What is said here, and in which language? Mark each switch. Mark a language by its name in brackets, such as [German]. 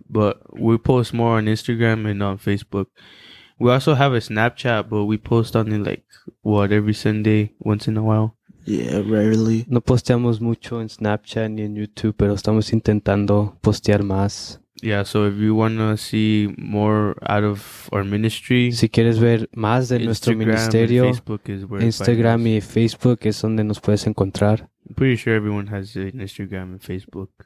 [English] But we post more on Instagram and on Facebook. We also have a Snapchat, but we post on it like, what, every Sunday, once in a while? Yeah, rarely. [Spanish] No posteamos mucho en Snapchat ni en YouTube, pero estamos intentando postear más. [English] Yeah, so if you want to see more out of our ministry, [Spanish] si quieres ver más de nuestro ministerio, Instagram y Facebook es donde nos puedes encontrar. [English] I'm pretty sure everyone has an Instagram and Facebook.